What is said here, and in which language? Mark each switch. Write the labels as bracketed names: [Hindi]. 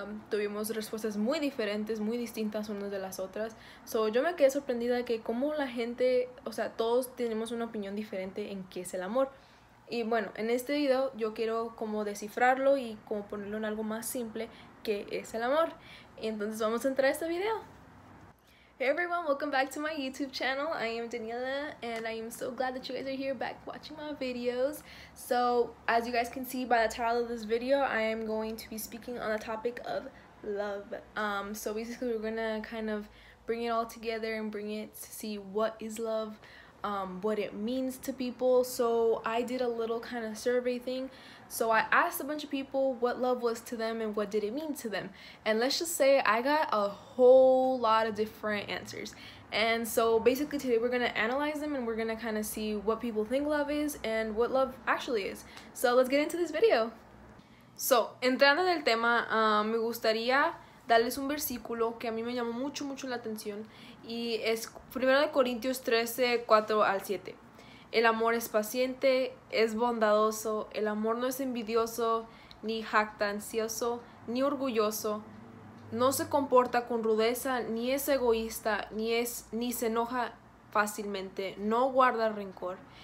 [Spanish] Tuvimos respuestas muy diferentes, muy distintas unas de las otras. Yo me quedé sorprendida de que cómo la gente, o sea, todos tenemos una opinión diferente en qué es el amor. Y bueno, en este video yo quiero como descifrarlo y como ponerlo en algo más simple, qué es el amor. Y entonces vamos a entrar a este video. [English] Hey everyone, welcome back to my YouTube channel. I am Daniela and I am so glad that you guys are here back watching my videos. As you guys can see by the title of this video, I am going to be speaking on the topic of love. Basically we're gonna kind of bring it all together and bring it to see what is love, what it means to people. So I did a little kind of survey thing. So I asked a bunch of people what love was to them and what did it mean to them. And let's just say I got a whole lot of different answers. And so basically today we're gonna analyze them and we're gonna kind of see what people think love is and what love actually is. So let's get into this video. [Spanish] So, entrando en el tema, me gustaría darles un versículo que a mí me llamó mucho, mucho la atención. Y es 1 Corintios 13, 4 al 7. El amor es paciente, es bondadoso, el amor no es envidioso, ni jactancioso, ni orgulloso, no se comporta con rudeza, ni es egoísta, ni se enoja fácilmente, no guarda rencor.